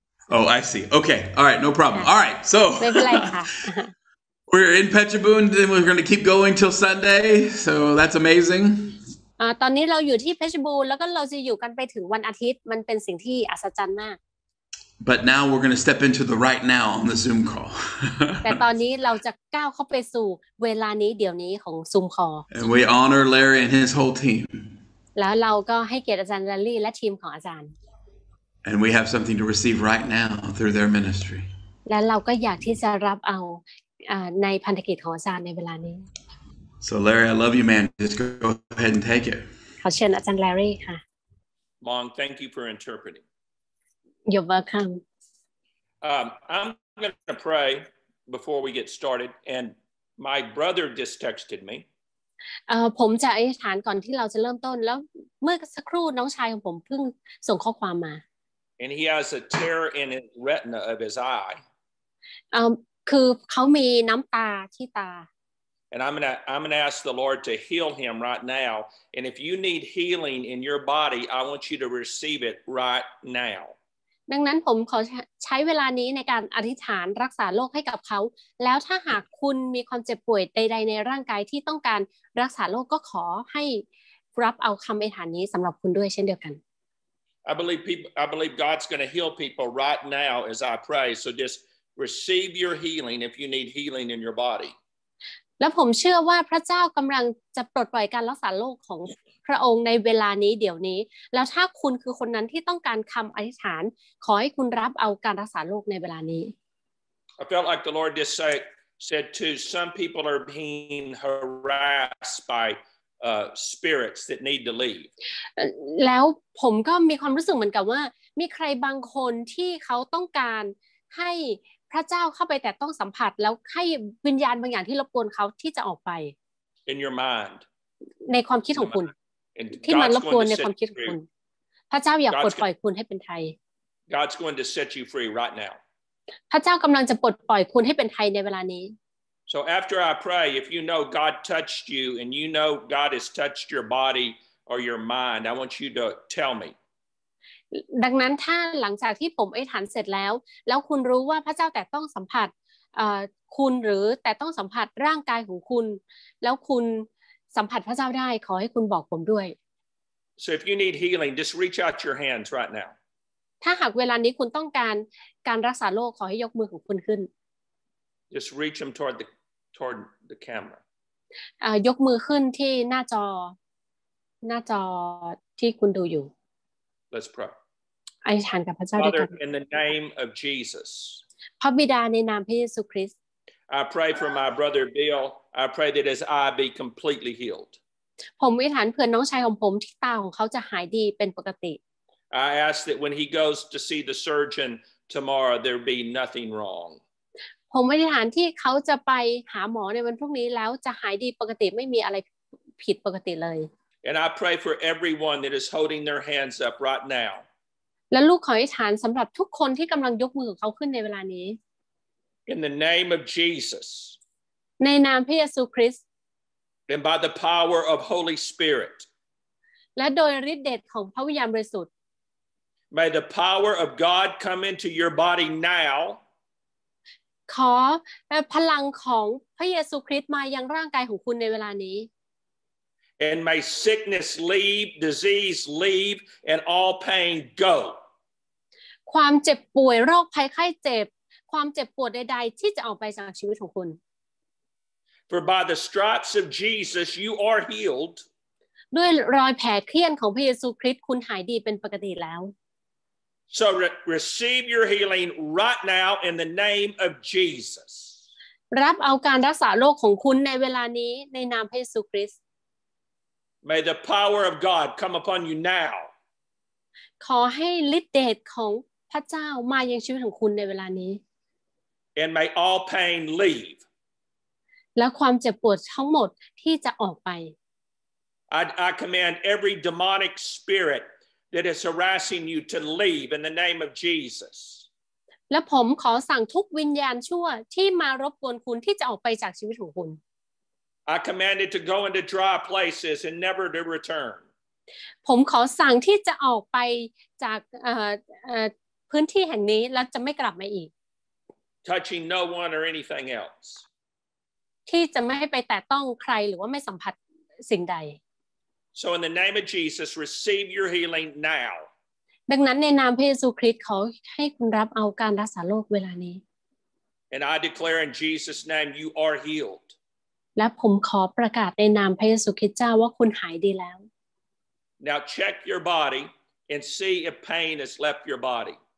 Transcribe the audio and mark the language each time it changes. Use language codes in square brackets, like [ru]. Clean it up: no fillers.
[en] oh I see okay all right no problem all right so we're in Phetchabun then we're going to keep going till Sunday so that's amazing [th] ตอนนี้เราอยู่ที่เพชรบูรณ์แล้วก็เราจะอยู่กันไปถึงวันอาทิตย์มันเป็นสิ่งที่อัศจรรย์มาก [en] But now we're going to step into the right now on the Zoom call. [th] แต่ตอนนี้เราจะก้าวเข้าไปสู่เวลานี้เดี๋ยวนี้ของ Zoom call. [en] And we honor Larry and his whole team. [th] แล้วเราก็ให้เกียรติอาจารย์ Larry และทีมของอาจารย์ [en] And we have something to receive right now through their ministry. [th] และเราก็อยากที่จะรับเอาในพันธกิจของอาจารย์ในเวลานี้ [en] So Larry, I love you, man. Just go ahead and take it. [th] ขอเชิญอาจารย์ Larry ค่ะ [en] Mong, thank you for interpreting. You're welcome. I'm going to pray before we get started, and my brother just texted me. [th] ผมจะอธิษฐานก่อนที่เราจะเริ่มต้นแล้วเมื่อสักครู่น้องชายของผมเพิ่งส่งข้อความมา [en] And he has a tear in his retina of his eye. [th] คือเขามีน้ำตาที่ตา [en] And I'm gonna ask the Lord to heal him right now. And if you need healing in your body, I want you to receive it right now. [th] ดังนั้นผมขอใช้เวลานี้ในการอธิษฐานรักษาโรคให้กับเขาแล้วถ้าหากคุณมีความเจ็บป่วยใดๆในร่างกายที่ต้องการรักษาโรคก็ขอให้รับเอาคำอธิษฐานนี้สำหรับคุณด้วยเช่นเดียวกัน [en] I believe God's going to heal people right now as I pray so just receive your healing if you need healing in your body [th] และผมเชื่อว่าพระเจ้ากำลังจะปลดปล่อยการรักษาโรคของพระองค์ในเวลานี้เดี๋ยวนี้แล้วถ้าคุณคือคนนั้นที่ต้องการคำอธิษฐานขอให้คุณรับเอาการรักษาโรคในเวลานี้ [en] I felt like the Lord just said to some people are being harassed by spirits that need to leave [th] แล้วผมก็มีความรู้สึกเหมือนกับว่ามีใครบางคนที่เขาต้องการให้พระเจ้าเข้าไปแต่ต้องสัมผัสแล้วให้วิญญาณบางอย่างที่รบกวนเขาที่จะออกไป [en] In your mind [th] ในความคิดของคุณที่มันรบกวนในความคิดของคุณพระเจ้าอยากปลดปล่อยคุณให้เป็นไทย [en] God's going to set you free right now [th] พระเจ้ากำลังจะปลดปล่อยคุณให้เป็นไทยในเวลานี้ [en] So after I pray if you know God touched you and you know God has touched your body or your mind I want you to tell me [th] ดังนั้นถ้าหลังจากที่ผมอธิษฐานเสร็จแล้วแล้วคุณรู้ว่าพระเจ้าแต่ต้องสัมผัสคุณหรือแต่ต้องสัมผัสร่างกายของคุณแล้วคุณสัมผัสพระเจ้าได้ขอให้คุณบอกผมด้วย [en] So if you need healing just reach out your hands right now [th] ถ้าหากเวลานี้คุณต้องการการรักษาโรคขอให้ยกมือของคุณขึ้น [en] Just reach them toward the camera [th] ยกมือขึ้นที่หน้าจอที่คุณดูอยู่ [en] Let's pray [th] อธิษฐานกับพระเจ้าด้วยกัน [en] Father in the name of Jesus [th] พระบิดาในนามพระเยซูคริสต์ [en] I pray for my brother BillI pray that his eye be completely healed. [th] ผมอธิษฐานเพื่อน้องชายของผมที่ตาของเขาจะหายดีเป็นปกติ [en] I ask that when he goes to see the surgeon tomorrow there be nothing wrong. [th] ผมอธิษฐานที่เขาจะไปหาหมอในวันพรุ่งนี้แล้วจะหายดีปกติไม่มีอะไรผิดปกติเลย [en] And I pray for everyone that is holding their hands up right now. [th] และลูกขออธิษฐานสำหรับทุกคนที่กำลังยกมือของเขาขึ้นในเวลานี้ [en] In the name of Jesus. [th] ในนามพระเยซูคริสต์ [en] And by the power of Holy Spirit [th] และโดยฤทธิ์เดชของพระวิญญาณบริสุทธิ์ [en] May the power of God come into your body now [th] ขอพลังของพระเยซูคริสต์มายังร่างกายของคุณในเวลานี้ [en] And may sickness leave, disease leave, and all pain go [th] ความเจ็บป่วยโรคภัยไข้เจ็บความเจ็บปวดใดๆที่จะออกไปจากชีวิตของคุณ [en] For by the stripes of Jesus you are healed. [th] ด้วยรอยแผลเคลื่อนของพระเยซูคริสต์คุณหายดีเป็นปกติแล้ว [en] So receive your healing right now in the name of Jesus. [th] รับเอาการรักษาโรคของคุณในเวลานี้ในนามพระเยซูคริสต์ [en] May the power of God come upon you now. [th] ขอให้ฤทธิ์เดชของพระเจ้ามายังชีวิตของคุณในเวลานี้ [en] And may all pain leave [th] และความเจ็บปวดทั้งหมดที่จะออกไป [en] I command every demonic spirit that is harassing you to leave in the name of Jesus. [th] และผมขอสั่งทุกวิญญาณชั่วที่มารบกวนคุณที่จะออกไปจากชีวิตของคุณ [en] I command it to go into dry places and never to return. [th] ผมขอสั่งที่จะออกไปจากพื้นที่แห่งนี้แล้วจะไม่กลับมาอีก [en] Touching no one or anything else. [th] ที่จะไม่ไปแตะต้องใครหรือว่าไม่สัมผัสสิ่งใด [en] So in the name of Jesus receive your healing now. [th] ดังนั้นในนามพระเยซูคริสต์ขอให้คุณรับเอาการรักษาโรคเวลานี้ [en] And I declare in Jesus name you are healed. [th] และผมขอประกาศในนามพระเยซูคริสต์เจ้าว่าคุณหายดีแล้ว [en] Now check your body and see if pain has left your body.